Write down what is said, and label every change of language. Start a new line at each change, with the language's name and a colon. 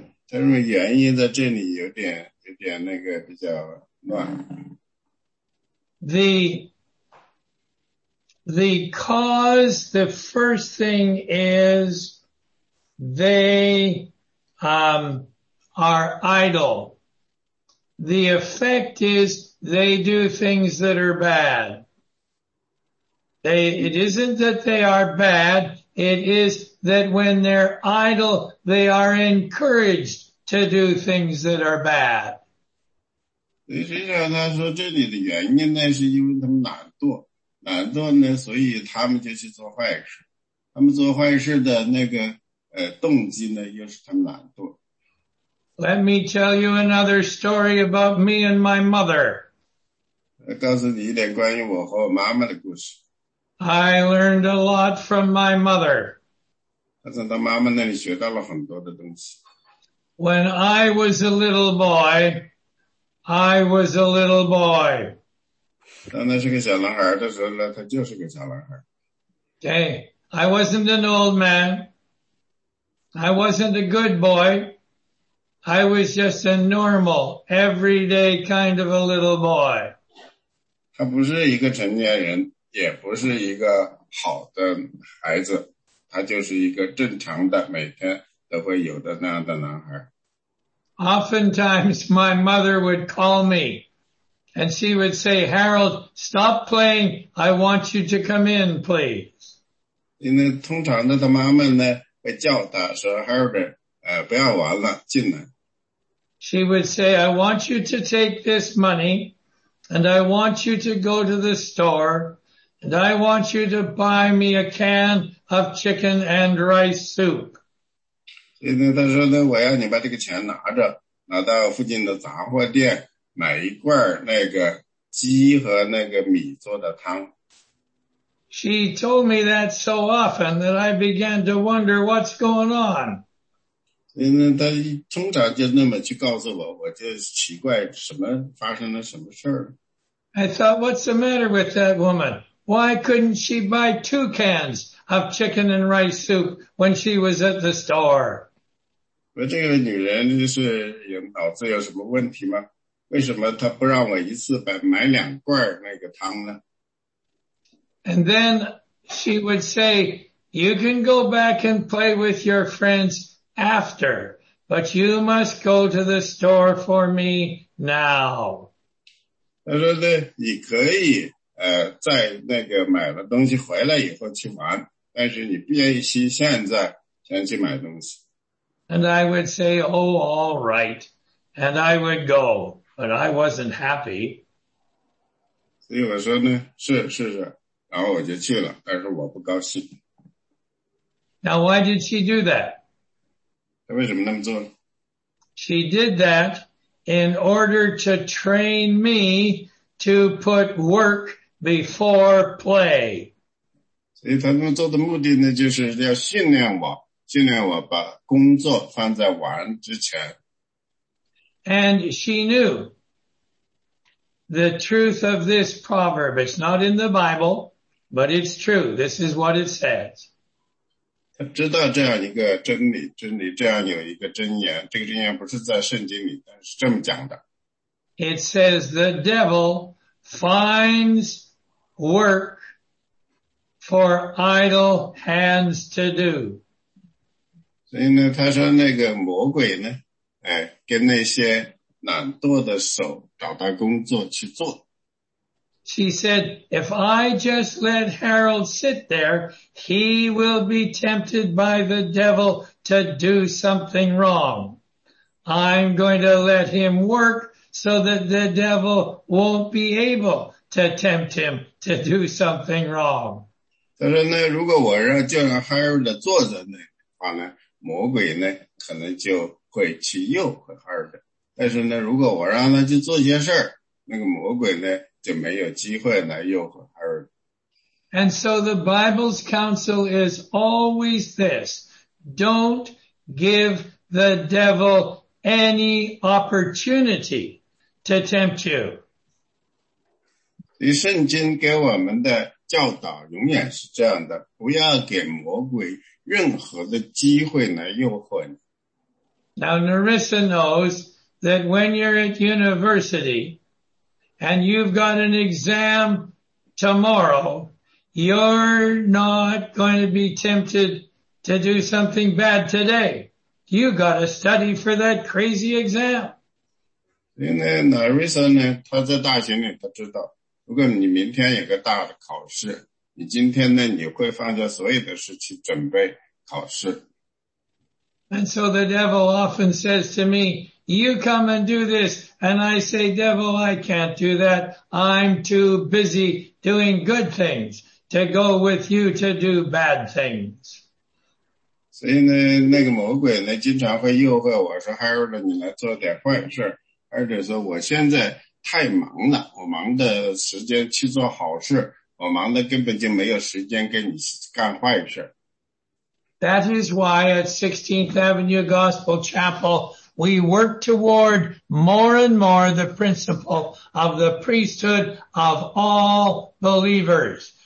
Chinese: 他认为原因在这里有点那个比较乱。
English: The cause, the first thing is they are idle. The effect is they do things that are bad. It isn't that they are bad, it is that when they're idle, they are encouraged to do things that are bad.
Chinese: 实际上他说这里的原因呢是因为他们懒惰呢，所以他们就去做坏事。他们做坏事的那个动机呢又是他们懒惰。
English: Let me tell you another story about me and my mother.
Chinese: 告诉你一点关于我和我妈妈的故事。
English: I learned a lot from my mother.
Chinese: 我从她妈妈那里学到了很多的东西。
English: When I was a little boy, I was a little boy.
Chinese: 当她是个小男孩的时候呢，她就是个小男孩。
English: Okay, I wasn't an old man. I wasn't a good boy. I was just a normal, everyday kind of a little boy.
Chinese: 他不是一个成年人，也不是一个好的孩子，他就是一个正常的，每天都会有的那样的男孩。
English: Oftentimes, my mother would call me, and she would say, Harold, stop playing, I want you to come in, please.
Chinese: 因为通常的他妈妈呢，会叫他说 Harold, 不要玩了，进来。
English: She would say, I want you to take this money,And I want you to go to the store, and I want you to buy me a can of chicken and rice soup.
Chinese: 所以他说呢，我要你把这个钱拿着，拿到附近的杂货店，买一罐那个鸡和那个米做的汤。
English: She told me that so often that I began to wonder what's going on.
Chinese: 所以他通常就那么去告诉我，我就奇怪什么发生了什么事儿。
English: I thought, what's the matter with that woman? Why couldn't she buy two cans of chicken and rice soup when she was at the store?
Chinese: 那这个女人就是脑子有什么问题吗？为什么她不让我一次买两罐那个汤呢？
English: And then she would say, you can go back and play with your friends after, but you must go to the store for me now.
Chinese: 他说呢，你可以在那个买了东西回来以后去玩，但是你必须现在先去买东西。
English: And I would say, oh, all right. And I would go, but I wasn't happy.
Chinese: 所以我说呢，是，然后我就去了，但是我不高兴。
English: Now, why did she do that?
Chinese: 她为什么那么做呢？
English: She did that. In order to train me to put work before play.
Chinese: 所以他们做的目的呢，就是要训练我把工作放在玩之前。
English: And she knew the truth of this proverb. It's not in the Bible, but it's true. This is what it says.
Chinese: 他知道这样一个真理这样有一个真言，这个真言不是在圣经里，但是这么讲的。
English: It says the devil finds work for idle hands to do.
Chinese: 所以呢，他说那个魔鬼呢，跟那些懒惰的手找到工作去做。
English: She said, if I just let Harold sit there, he will be tempted by the devil to do something wrong. I'm going to let him work so that the devil won't be able to tempt him to do something wrong.
Chinese: 他说呢，如果我让 Harold 坐着那话呢，魔鬼呢可能就会去诱惑 Harold。但是呢，如果我让他去做些事儿，那个魔鬼呢就没有机会来诱惑 Harold。
English: And so the Bible's counsel is always this. Don't give the devil any opportunity to tempt you.
Chinese: 所以圣经给我们的教导永远是这样的，不要给魔鬼任何的机会来诱惑你。
English: Now Narissa knows that when you're at university,And you've got an exam tomorrow, you're not going to be tempted to do something bad today. You've got to study for that crazy exam.
Chinese: 因为 Narissa 呢，他在大学里他知道，如果你明天有个大的考试，你今天呢，你会放下所有的事去准备考试。
English: And so the devil often says to me,You come and do this. And I say, devil, I can't do that. I'm too busy doing good things to go with you to do bad things.
Chinese: 所以呢，那个魔鬼呢，经常会诱惑我说 Harold, 你来做点坏事。而且说我现在太忙了，我忙的时间去做好事，我忙的根本就没有时间给你干坏事。
English: That is why at 16th Avenue Gospel Chapel, we work toward more and more the principle of the priesthood of all believers.